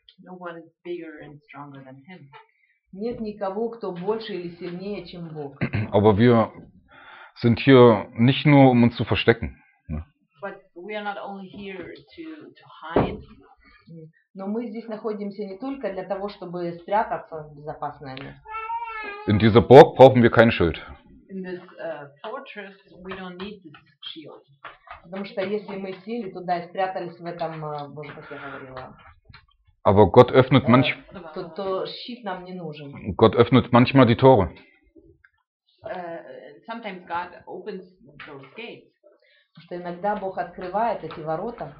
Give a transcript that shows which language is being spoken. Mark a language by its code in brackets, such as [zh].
[en] No one is bigger and stronger than him. [ru] Нет никого, кто больше или сильнее, чем Бог. [de] Aber wir sind hier nicht nur, um uns zu verstecken. [en] But we are not only here to hide. [ru] Но мы здесь находимся не только для того, чтобы спрятаться в безопасное место. [de] In dieser Burg brauchen wir kein Schild. [en] In this fortress we don't need this shield. [ru] Потому что если мы сели туда и спрятались в этом, боже, как я говорила. [de] Aber Gott öffnet [ru] то щит нам не нужен. [de] Gott öffnet manchmal die Tore. [en] Sometimes God opens those gates. [ru] Потому что иногда Бог открывает эти ворота.